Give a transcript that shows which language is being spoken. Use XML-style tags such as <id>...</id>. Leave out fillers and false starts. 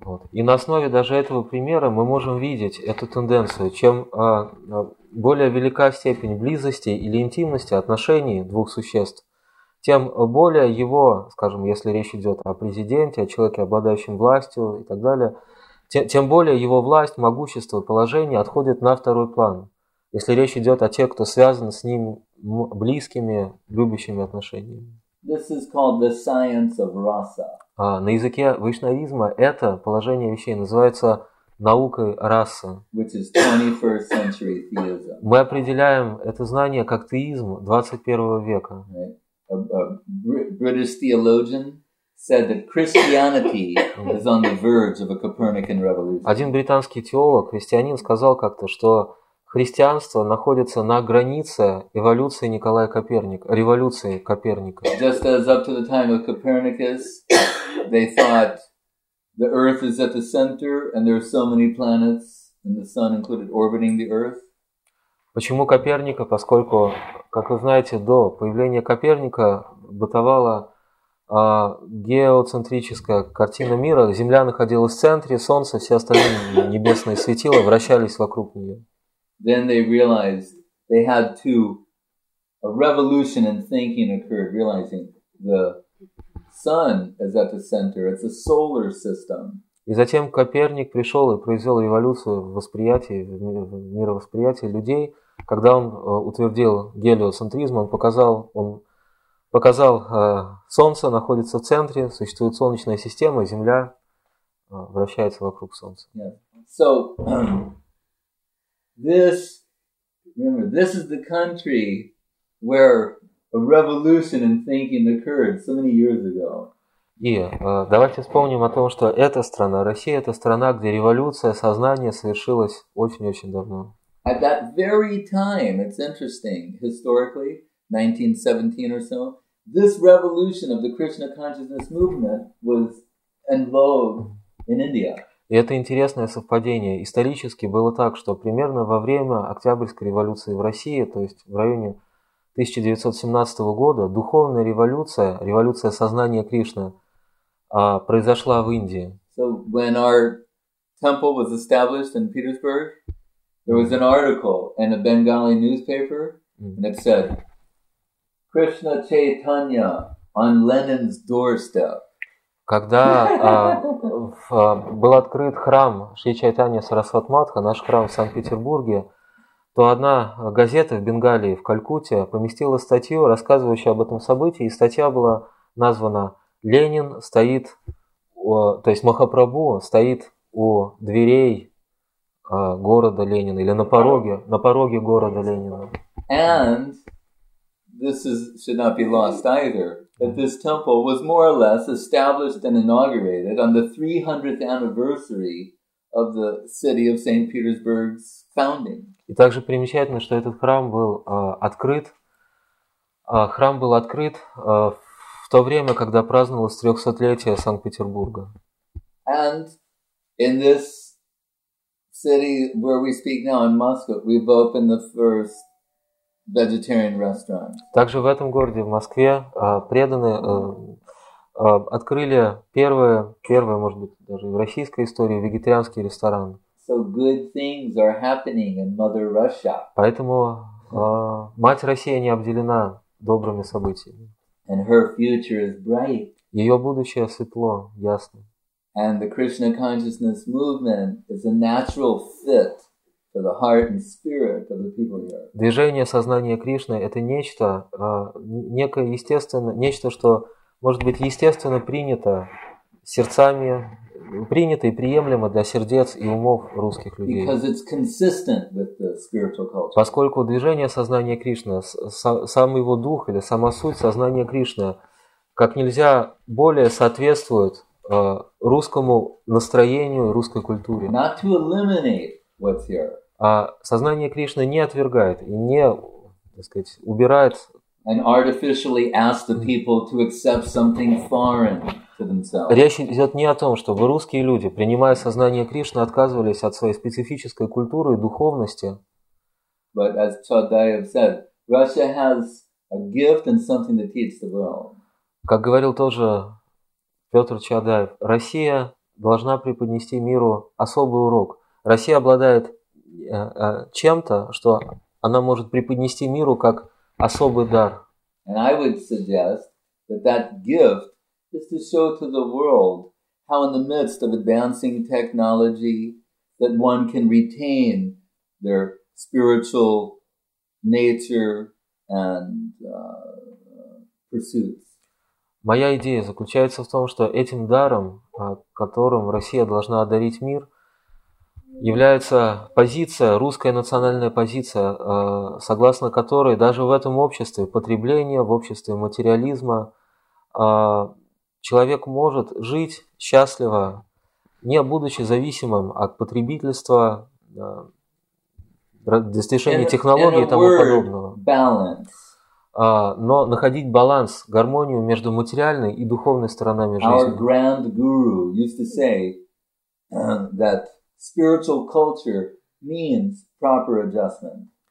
<ru>Вот. И на основе даже этого примера мы можем видеть эту тенденцию. Чем более велика степень близости или интимности отношений двух существ, тем более его, скажем, если речь идет о президенте, о человеке, обладающем властью и так далее, тем более его власть, могущество, положение отходит на второй план, если речь идет о тех, кто связан с ним близкими, любящими отношениями.</ru> <en>This is called the science of rasa.</en> <ru>На языке вайшнавизма это положение вещей называется наукой расы.</ru> <en>Which is 21st century theism.</en> <ru>Мы определяем это знание как теизм 21 века.</ru> <en>Right. A British theologian said that Christianity is on the verge of a Copernican revolution.</en> <ru>Один британский теолог, христианин, сказал как-то, что христианство находится на границе эволюции Николая Коперника, революции Коперника.</ru> <en>Just as up to the time of Copernicus, they thought the Earth is at the center, and there are so many planets, and the Sun included, orbiting the Earth.</en> <ru>Почему Коперника? Поскольку, как вы знаете, до появления Коперника бытовала геоцентрическая картина мира. Земля находилась в центре, Солнце, все остальные небесные светила вращались вокруг нее.</ru> <en>Then they realized they had to, a revolution in thinking occurred, realizing the sun is at the center, it's a solar system.</en> <ru>И затем Коперник пришел и произвел революцию в восприятии, в мировосприятии людей, когда он утвердил гелиоцентризм, он показал, солнце находится в центре, существует солнечная система, Земля вращается вокруг Солнца.</ru> <en>Yeah. So, this, remember, this is the country where a revolution in thinking occurred so many years ago.</en> <ru>И давайте вспомним о том, что эта страна, Россия, это страна, где революция сознания совершилась очень-очень давно.</ru> <en>At that very time, it's interesting, historically, 1917 or so, this revolution of the Krishna consciousness movement was in vogue in India.</en> <ru>И это интересное совпадение. Исторически было так, что примерно во время Октябрьской революции в России, то есть в районе 1917 года, духовная революция, революция сознания Кришны, произошла в Индии.</ru> <en>So when our temple was established in Petersburg, there was an article in a Bengali newspaper, and it said, Krishna Chaitanya on Lenin's doorstep.</en> <ru>Когда был открыт храм Шри Чайтанья Сарасват Матха, наш храм в Санкт-Петербурге, то одна газета в Бенгалии, в Калькутте, поместила статью, рассказывающую об этом событии, и статья была названа «Ленин стоит, то есть Махапрабху стоит у дверей города Ленина» или на пороге города Ленина.</ru> <en>And this is, should not be lost either. That this temple was more or less established and inaugurated on the 300th anniversary of the city of St. Petersburg's founding.</en> <ru>И также примечательно, что этот храм был открыт. Храм был открыт в то время, когда праздновалось 300-летие Санкт-Петербурга.</ru> <en>And in this city where we speak now, in Moscow, we've opened the first vegetarian restaurant.</en> <ru>Также в этом городе, в Москве, преданные открыли первые, может быть, даже в российской истории вегетарианский ресторан.</ru> <en>So good things are happening in Mother Russia.</en> <ru>Поэтому мать Россия не обделена добрыми событиями.</ru> <en>And her future is bright.</en> <ru>Ее будущее светло, ясно.</ru> <en>And the Krishna consciousness movement is a natural fit for the heart and spirit of the people here.</en> <ru>Движение сознания Кришны – это нечто, некое естественное, нечто, что может быть естественно принято сердцами принято и приемлемо для сердец и умов русских людей.</ru> <en>Because it's consistent with the spiritual culture.</en> <ru>Поскольку движение сознания Кришны, сам его дух или сама суть сознания Кришны, как нельзя более соответствует русскому настроению, русской культуре.</ru> <en>Not to eliminate what's here.</en> <ru>А сознание Кришны не отвергает и не, так сказать, убирает.</ru> <en>And artificially ask the people to accept something foreign to themselves.</en> <ru>Речь идет не о том, чтобы русские люди, принимая сознание Кришны, отказывались от своей специфической культуры и духовности.</ru> <en>But as Chaudhaev said, Russia has a gift and something to teach the world.</en> <ru>Как говорил тоже Петр Чаадаев, Россия должна преподнести миру особый урок. Россия обладает чем-то, что она может преподнести миру как особый дар.</ru> <en>And I would suggest that that gift is to show to the world how in the midst of advancing technology that one can retain their spiritual nature and pursuits.</en> <ru>Моя идея заключается в том, что этим даром, которым Россия должна одарить мир, является позиция, русская национальная позиция, согласно которой даже в этом обществе потребления, в обществе материализма, человек может жить счастливо, не будучи зависимым от потребительства, достижения технологий и тому подобного. Но находить баланс, гармонию между материальной и духовной сторонами жизни.</ru> <en>Our grand guru used to say that spiritual culture means proper adjustment.</en>